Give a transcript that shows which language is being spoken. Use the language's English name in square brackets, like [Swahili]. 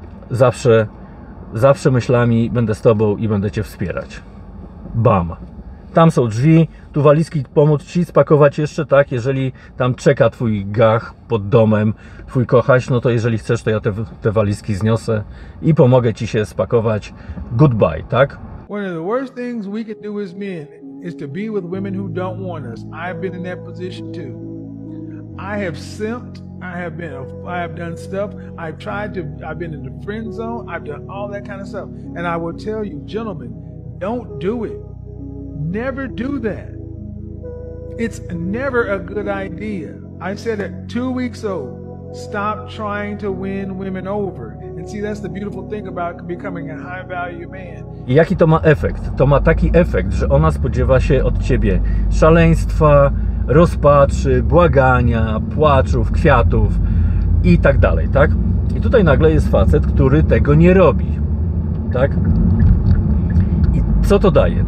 [Polish] Zawsze, zawsze myślami będę z tobą i będę cię wspierać. Bam. Tam są drzwi, tu walizki pomóc ci spakować jeszcze, tak? Jeżeli tam czeka twój gach pod domem, twój kochaś, no to jeżeli chcesz, to ja te walizki zniosę i pomogę ci się spakować. Goodbye, tak? [English] One of the worst things we could do as men is to be with women who don't want us. I've been in that position too. I have simped. I have done stuff. I've been in the friend zone. I've done all that kind of stuff. And I will tell you, gentlemen, don't do it. Never do that. It's never a good idea. I said it 2 weeks old. Stop trying to win women over. And see, that's the beautiful thing about becoming a high value man. [Polish] I jaki to ma efekt? To ma taki efekt, że ona spodziewa się od ciebie szaleństwa, rozpaczy, błagania, płaczów, kwiatów i tak dalej, tak? I tutaj nagle jest facet, który tego nie robi, tak? I co to daje?